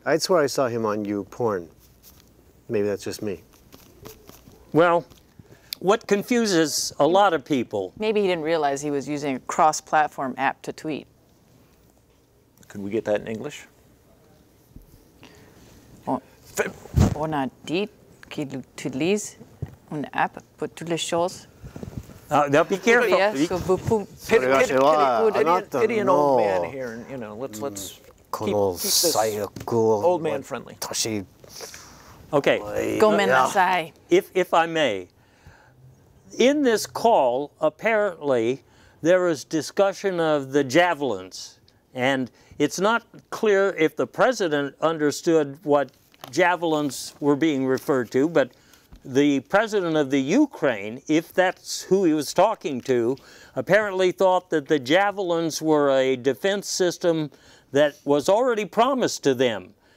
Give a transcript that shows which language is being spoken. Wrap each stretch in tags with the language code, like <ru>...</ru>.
<en>I'd swear I saw him on YouPorn. Maybe that's just me. Well, what confuses a lot of people... Maybe he didn't realize he was using a cross-platform app to tweet. Could we get that in English?</en> <fr>On a dit qu'il utilise une app pour toutes les choses.</fr> <en>Now be careful. Yes. So pity an old man here, and you know, let's keep old man friendly. Okay.</en> <ja>Gomenasai.</ja> <en>If I may, in this call, apparently there is discussion of the javelins, and it's not clear if the president understood what javelins were being referred to, but the president of the Ukraine, if that's who he was talking to, apparently thought that the javelins were a defense system that was already promised to them.</en>